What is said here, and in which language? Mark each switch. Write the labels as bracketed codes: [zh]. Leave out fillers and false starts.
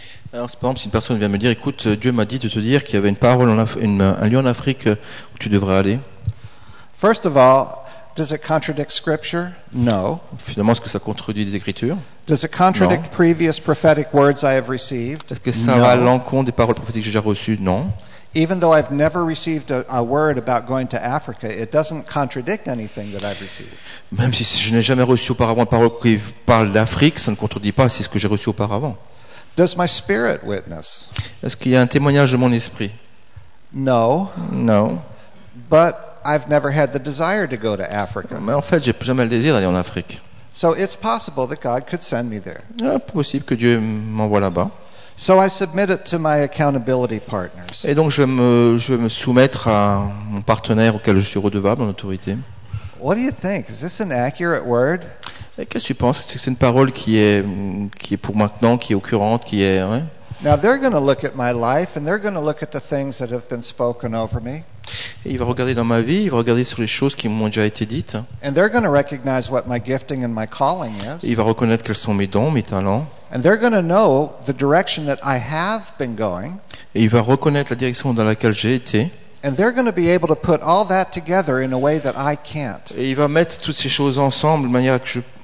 [fr] Alors, par exemple, si une personne vient me dire, écoute, Dieu m'a dit de te dire qu'il y avait une parole un lieu en Afrique où tu devrais aller. [en] First of all, does it contradict scripture? No. [fr] Finalement, est-ce que ça contredit les Écritures? [en] Does it contradict [fr] non. [en] Previous prophetic words I have received? [fr] Est-ce que ça va à l'encontre des paroles prophétiques que j'ai déjà reçues? Non. [en] Even though I've never received a word about going to Africa, it doesn't contradict anything that I've received. [fr] Même si je n'ai jamais reçu auparavant une parole qui parle d'Afrique, ça ne contredit pas ce que j'ai reçu auparavant. [en] Does my spirit witness? [fr] Est-ce qu'il y a un témoignage de mon esprit? [en] No. No. But I've never had the desire to go to Africa. [fr] Mais en fait, j'ai jamais le désir d'aller en Afrique. [en] So it's possible that God could send me there. [fr] C'est possible que Dieu m'envoie là-bas. [en] So I submit it to my accountability partners. [fr] Et donc je vais me soumettre à mon partenaire auquel je suis redevable en autorité. [en] What do you think? Is this an accurate word? [fr] Et qu'est-ce que tu penses? Est-ce que c'est une parole qui est pour maintenant, qui est occurrente, qui est ouais? [en] Now they're going to look at my life and they're going to look at the things that have been spoken over me. [fr] Et il va regarder dans ma vie, il va regarder sur les choses qui m'ont déjà été dites. [en] And they're going to recognize what my gifting and my calling is. [fr] Et il va reconnaître quels sont mes dons, mes talents. [en] And they're going to know the direction that I have been going. [fr] Et il va reconnaître la direction dans laquelle j'ai été. [en] And they're going to be able to put all that together in a way that I can't. [fr] Et il va mettre toutes ces choses ensemble de manière que je